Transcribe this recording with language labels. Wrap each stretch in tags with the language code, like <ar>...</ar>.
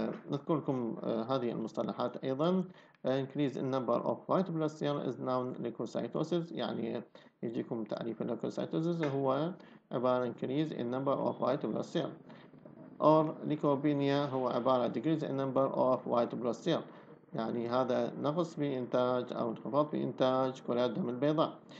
<ar>نذكر لكم هذه المصطلحات أيضا.</ar> <en>increase in number of white blood cells is known leukocytosis.</en> <ar>يعني يجيكم تعريف</ar> <en>leukocytosis</en> <ar>هو عبارة</ar> <en>increase in number of white blood cells. or leukopenia</en> <ar>هو عبارة</ar> <en>decrease in number of white blood cells.</en> <ar>يعني هذا نقص في إنتاج أو انخفاض في إنتاج كريات الدم البيضاء.</ar>